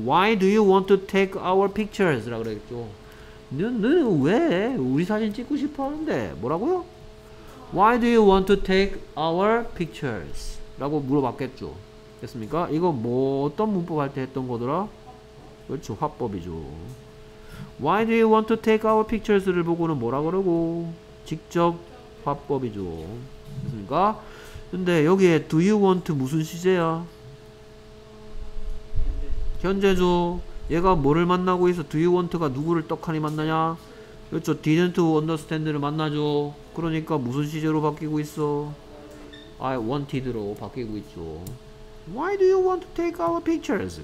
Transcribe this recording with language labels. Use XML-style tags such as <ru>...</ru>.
<en>Why do you want to take our pictures?</en> <ko>라고 그랬죠. 너는 왜 우리 사진 찍고 싶어 하는데? 뭐라고요?</ko> <en>Why do you want to take our pictures?</en> <ko>라고 물어봤겠죠. 됐습니까? 이거 뭐 어떤 문법 할 때 했던 거더라? 그렇죠. 화법이죠.</ko> <en>Why do you want to take our pictures?</en> <ko>를 보고는 뭐라 그러고? 직접 화법이죠. 됐습니까? 근데 여기에 do you want 무슨 시제야? 현재죠. 얘가 뭐를 만나고 있어?</ko> <en>Do you want</en> <ko>가 누구를 떡하니 만나냐? 그렇죠.</ko> <en>Didn't understand</en> <ko>를 만나죠. 그러니까 무슨 시제로 바뀌고 있어?</ko> <en>I wanted</en> <ko>로 바뀌고 있죠.</ko> <en>Why do you want to take our pictures?</en>